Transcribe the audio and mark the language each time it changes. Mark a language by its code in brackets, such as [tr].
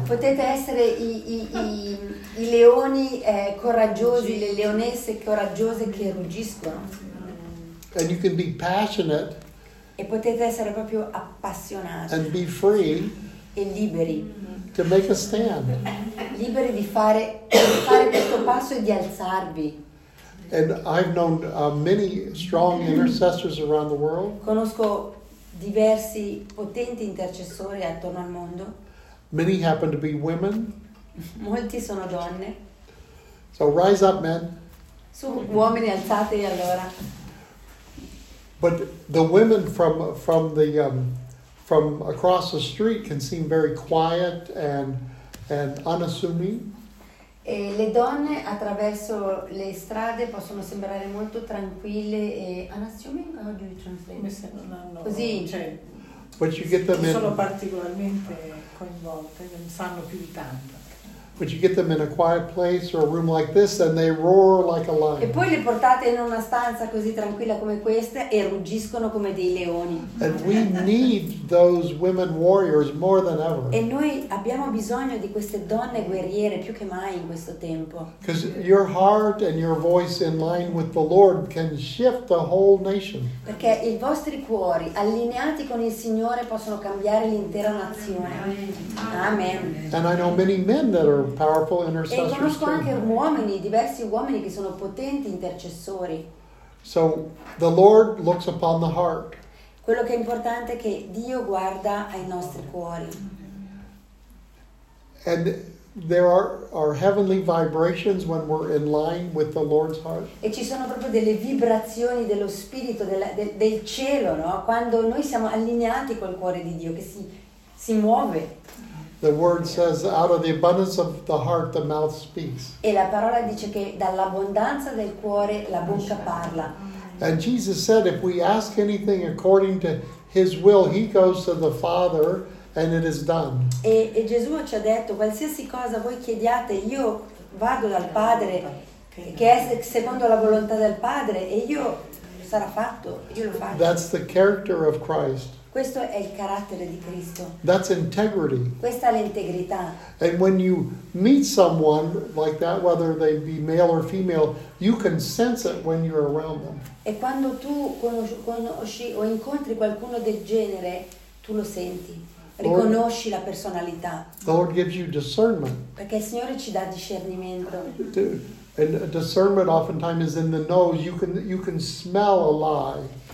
[it] Potete essere i leoni coraggiosi, le leonesse coraggiose che ruggiscono. [en] And you can be passionate. [it] E potete essere proprio appassionati. [en] And be free. [it] E liberi. [en] To make a stand. [it] Liberi di fare questo passo e di alzarvi. [en] And I've known many strong intercessors around the world. [it] Conosco diversi potenti intercessori attorno al mondo. [en] Many happen to be women. [it] Molti sono donne. [en] So rise up, men. [it] Su, uomini, alzatevi allora. [en] But the women from across the street can seem very quiet and unassuming. [it] E le donne attraverso le strade possono sembrare molto tranquille e unassuming. [en] How do you translate? [it] Così. Cioè, [en] but you get them [it] sono particolarmente coinvolte, non sanno più di tanto. [en] But you get them in a quiet place or a room like this and they roar like a lion. [it] E poi le portate in una stanza così tranquilla come questa e ruggiscono come dei leoni. [en] And we need those women warriors more than ever. [it] E noi abbiamo bisogno di queste donne guerriere più che mai in questo tempo. [en] Because your heart and your voice in line with the Lord can shift the whole nation. [it] Perché i vostri cuori allineati con il Signore possono cambiare l'intera nazione. [en] Amen. And I know many men that are powerful intercessors. [it] E conosco anche uomini, diversi uomini che sono potenti intercessori. [en] So the Lord looks upon the heart. [it] Quello che è importante è che Dio guarda ai nostri cuori. [en] And there are heavenly vibrations when we're in line with the Lord's heart. [it] E ci sono proprio delle vibrazioni dello spirito del cielo, no? Quando noi siamo allineati col cuore di Dio che si muove. [en] The word says, out of the abundance of the heart, the mouth speaks. [it] E la parola dice che dall'abbondanza del cuore la bocca parla. [en] And Jesus said, if we ask anything according to His will, He goes to the Father, and it is done. [it] E Gesù ci ha detto, qualsiasi cosa voi chiediate, io vado dal Padre, che è secondo la volontà del Padre, e io sarà fatto, io lo faccio. [en] That's the character of Christ. [it] Questo è il carattere di Cristo. [en] That's integrity. [it] Questa è l'integrità. [en] And when you meet someone like that, whether they be male or female, you can sense it when you're around them. [it] E quando tu conosci o incontri qualcuno del genere, tu lo senti. Riconosci la personalità. [en] The Lord gives you discernment. [it] Perché il Signore ci dà discernimento. [en] And discernment oftentimes is in the nose. You can smell a lie.